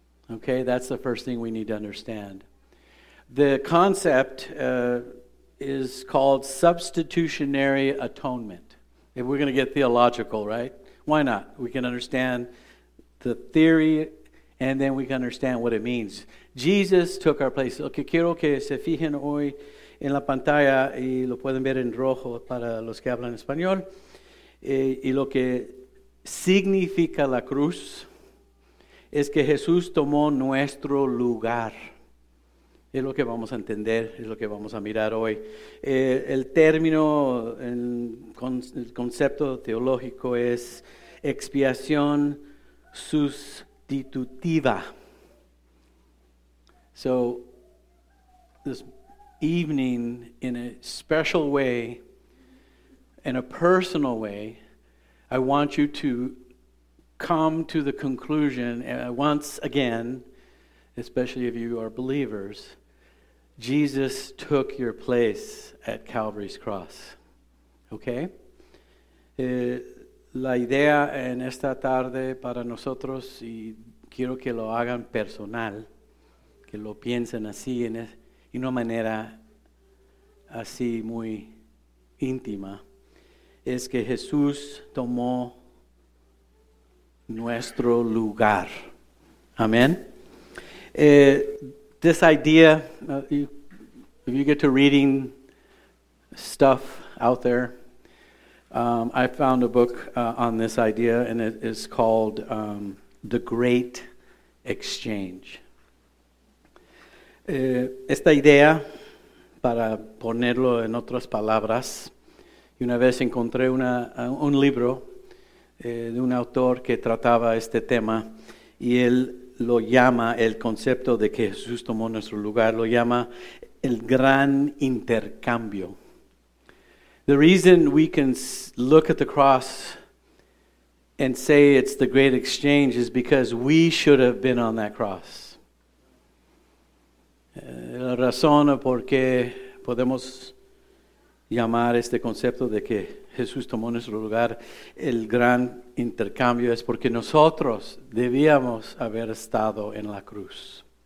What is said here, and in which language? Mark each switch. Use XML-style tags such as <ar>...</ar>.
<en>Okay, that's the first thing we need to understand. The concept is called substitutionary atonement. If we're going to get theological, right? Why not? We can understand the theory and then we can understand what it means. Jesus took our place.</en> <es>Lo que quiero que se fijen hoy en la pantalla y lo pueden ver en rojo para los que hablan español y lo que significa la cruz es que Jesús tomó nuestro lugar. Es lo que vamos a entender, es lo que vamos a mirar hoy. El término, el concepto teológico es expiación sustitutiva.</es> <en>So, this evening, in a special way, in a personal way, I want you to come to the conclusion, once again, especially if you are believers, Jesus took your place at Calvary's cross. Okay?</en> <es>La idea en esta tarde para nosotros, y quiero que lo hagan personal, que lo piensen así, en una manera así muy íntima, es que Jesús tomó nuestro lugar. Amen.</es> <en>This idea, if you get to reading stuff out there, I found a book on this idea, and it is called The Great Exchange.</en> <es>Esta idea, para ponerlo en otras palabras, y una vez encontré un libro de un autor que trataba este tema, y él lo llama, el concepto de que Jesús tomó nuestro lugar, lo llama el gran intercambio.</es> <en>The reason we can look at the cross and say it's the great exchange is because we should have been on that cross.</en> <es>La razón por qué podemos llamar este concepto de que Jesús tomó nuestro lugar el gran intercambio es porque nosotros debíamos haber estado en la cruz.</es>